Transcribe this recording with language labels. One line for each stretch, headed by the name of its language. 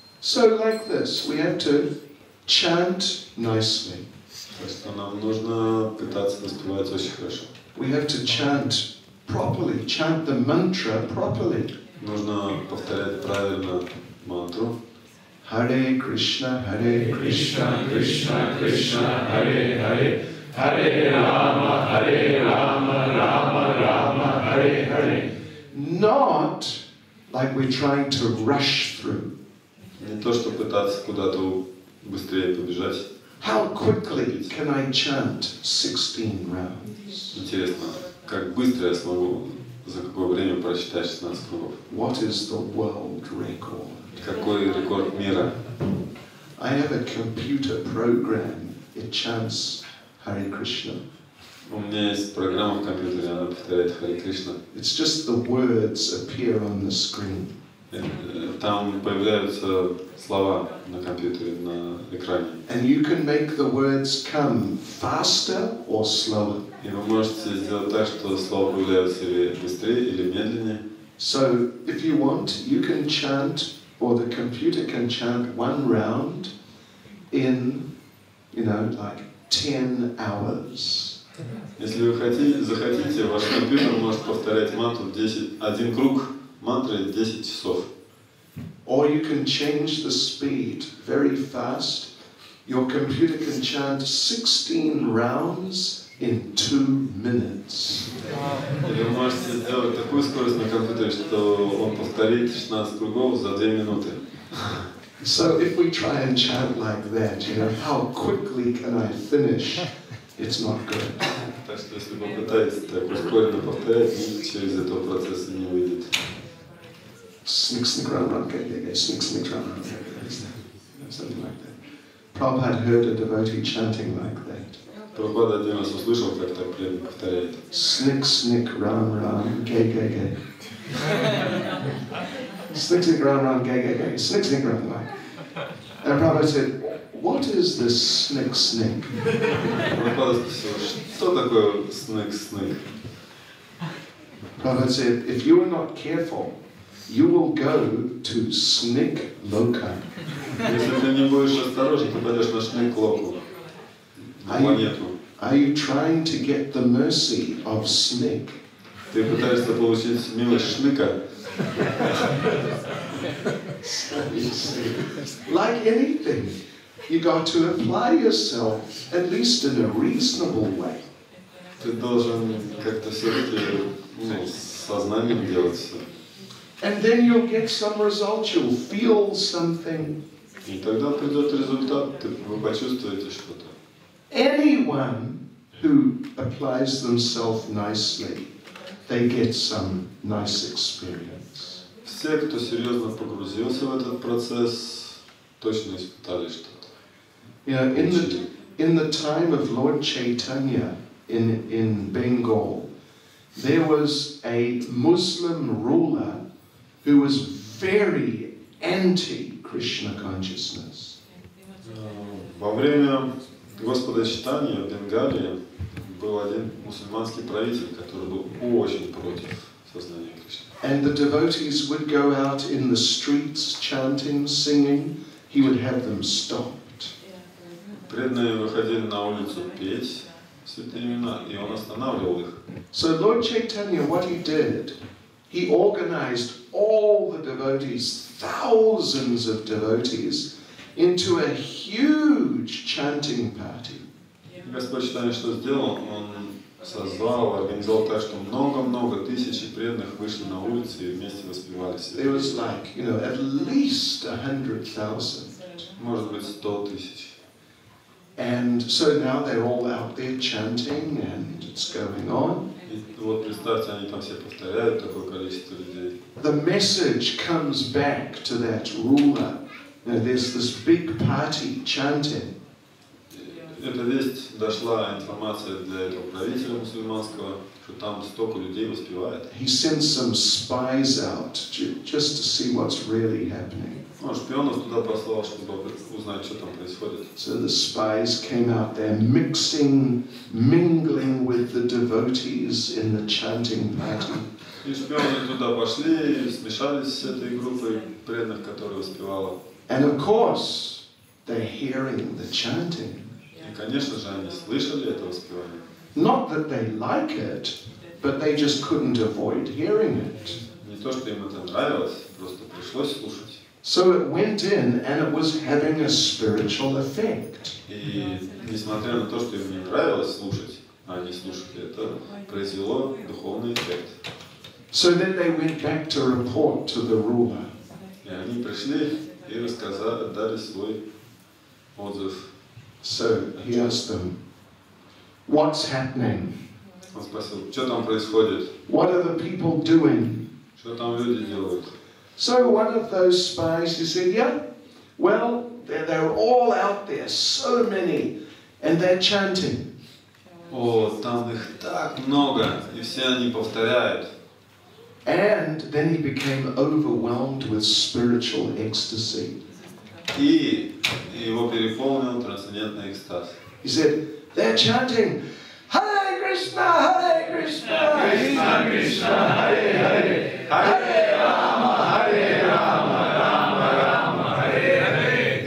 English: So like this, we have to chant nicely.
Russian: То есть нам нужно пытаться воспевать очень хорошо.
English: We have to chant properly, chant the mantra properly.
Russian: Нужно повторять правильно мантру.
Sanskrit: Hare Krishna, Hare Krishna, Krishna Krishna, Hare Hare, Hare Rama, Hare Rama, Rama Rama, Hare Hare.
English: Not like we're trying to rush through.
Russian: Не то, что пытаться куда-то быстрее побежать.
English: How quickly can I chant 16 rounds?
Russian: Интересно, как быстро я смогу за какое время прочитать 16 кругов?
English: What is the world record?
Russian: Какой рекорд мира?
English: I have a computer program. It chants Hare Krishna.
Russian: У меня есть программа в компьютере, она повторяет Hare Krishna.
English: It's just the words appear on the screen.
Russian: Там появляются слова на компьютере, на экране.
English: And you can make the words come faster or slower.
Russian: И вы можете сделать так, что слова появляются или быстрее, или медленнее.
English: So, if you want, you can chant, or the computer can chant one round in, you know, like 10 hours.
Russian: Если вы захотите, ваш компьютер может повторять мантру 10, один круг мантры 10 часов.
English: Or you can change the speed very fast. Your computer can chant 16 rounds in 2 minutes.
Russian: Или вы можете сделать такую скорость на компьютере, что он повторит 16 кругов за 2 минуты.
English: So if we try and chant like that, you know, how quickly can I finish? It's not good.
Russian: Так что если вы пытаетесь так ускоренно повторять, через этого процесса не выйдет.
English: Snicks in the ground, something like that. Prabhupada heard a devotee chanting like that.
Russian: Prabhupada один раз услышал, как так преданный повторяет. Snick, snick, ram, ram, gay, gay, gay. Snick, snick, ram, ram, gay, gay, gay. Snick, snick, ram, ram.
English: And Prabhupada said, what is this snick, snick?
Russian: Prabhupada спросил, что такое snick, snick?
English: Prabhupada said, if you are not careful, you will go to snick loka.
Russian: Если ты не будешь осторожен, ты пойдешь на снык локу.
English: Are you trying to get the mercy of snick?
Russian: Ты пытаешься получить милость шныка?
English: Like anything, you got to apply yourself at least in a reasonable way.
Russian: Ты должен как-то все-таки сознанием делать все.
English: And then you'll get some results, you'll feel something.
Russian: И тогда придет результат, вы почувствуете что-то.
English: Anyone who applies themselves nicely, they get some nice experience.
Russian: Все, кто серьезно погрузился в этот процесс, точно испытали что-то.
English: Yeah, in the time of Lord Chaitanya in Bengal, there was a Muslim ruler who was very anti-Krishna consciousness.
Russian: Во время Господа Читания в Бенгалии был один мусульманский правитель, который был очень против сознания Кришны.
English: And the devotees would go out in the streets chanting, singing, he would have them stopped.
Russian: Преданные выходили на улицу петь святые имена, и он останавливал их.
English: So Lord Chaitanya, what he did, he organized all the devotees, thousands of devotees, into a huge chanting party.
Russian: Господь Читания что сделал? Он созвал, организовал так, что много-много тысяч преданных вышли на улицы и вместе воспевали все.
English: There was like, you know, at least 100,000.
Russian: Может быть, 100,000.
English: And so now they're all out there chanting and it's going on.
Russian: Вот представьте, они там все повторяют такое количество людей.
English: The message comes back to that ruler. Now there's this big party chanting.
Russian: Эта весть дошла, информация для этого правителя мусульманского, что там столько людей воспевает.
English: He sends some spies out just to see what's really happening.
Russian: Он шпионов туда послал, чтобы узнать, что там происходит.
English: So the spies came out there mixing, mingling with the devotees in the chanting party.
Russian: И шпионы туда пошли и смешались с этой группой преданных, которая воспевала.
English: And of course, they're hearing the chanting.
Russian: И, конечно же, они слышали это воспевание.
English: Not that they like it, but they just couldn't avoid hearing it.
Russian: Не то, что им это нравилось, просто пришлось слушать.
English: So it went in and it was having a spiritual effect.
Russian: И несмотря на то, что им не нравилось слушать, а они слушали, это произвело духовный эффект.
English: So then they went back to report to the ruler.
Russian: И они пришли и рассказали, дали свой отзыв.
English: So he asked them, what's happening?
Russian: Он спросил, что там происходит?
English: What are the people doing?
Russian: Что там люди делают?
English: So one of those spies, he said, yeah, well, they're all out there, so many, and they're chanting.
Russian: Oh, там их так много, и все они повторяют.
English: And then he became overwhelmed with spiritual ecstasy.
Russian: И его переполнил трансцендентный экстаз.
English: He said, they're chanting,
Sanskrit: Hare Krishna, Hare Krishna, Krishna, Krishna, Hare Hare, Hare Rama, Hare Rama, Rama Rama, Hare Hare.